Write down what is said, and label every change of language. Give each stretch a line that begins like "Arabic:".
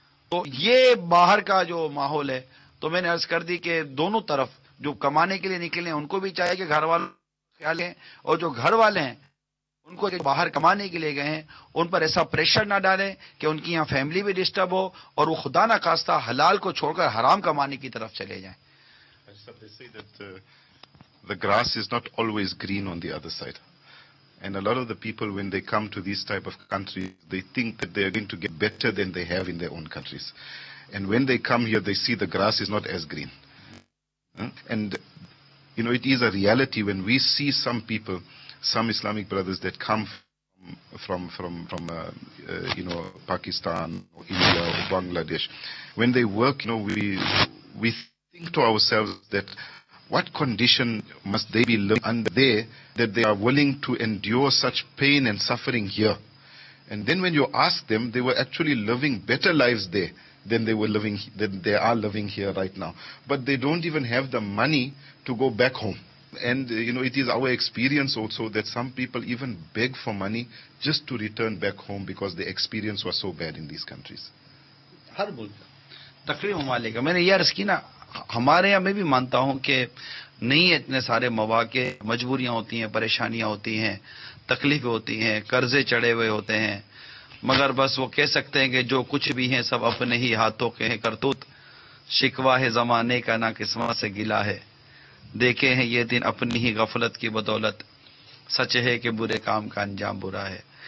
Urdu: تو یہ باہر کا جو ماحول ہے, تو میں نے عرض کر دی کہ دونوں طرف جو کمانے کے لیے نکلے ہیں ان کو بھی چاہیے کہ گھر والوں کا خیال ہیں, اور جو گھر والے ہیں ان کو جو باہر کمانے کے لیے گئے ہیں ان پر ایسا پریشر نہ ڈالیں کہ ان کی یہاں فیملی بھی ڈسٹرب ہو اور وہ خدا نہ خواستہ حلال کو چھوڑ کر حرام کمانے کی طرف چلے جائیں.
English: They say that the grass is not always green on the other side, and a lot of the people when they come to these type of countries they think that they are going to get better than they have in their own countries, and when they come here they see the grass is not as green. And you know, it is a reality when we see some people, some Islamic brothers that come from you know, Pakistan or India or Bangladesh, when they work, you know, we think to ourselves that what condition must they be living under there that they are willing to endure such pain and suffering here, And then when you ask them, they were actually living better lives there than they were living, than they are living here right now. But they don't even have the money to go back home. And, you know, it is our experience also that some people even beg for money just to return back home because the experience was so bad in these countries.
Urdu: ہمارے یہاں میں بھی مانتا ہوں کہ نہیں ہے اتنے سارے مواقع, مجبوریاں ہوتی ہیں, پریشانیاں ہوتی ہیں, تکلیفیں ہوتی ہیں, قرضے چڑھے ہوئے ہوتے ہیں, مگر بس وہ کہہ سکتے ہیں کہ جو کچھ بھی ہیں سب اپنے ہی ہاتھوں کے ہیں, کرتوت شکوا ہے زمانے کا نہ قسمت سے گلا ہے, دیکھے ہیں یہ دن اپنی ہی غفلت کی بدولت, سچ ہے کہ برے کام کا انجام برا ہے.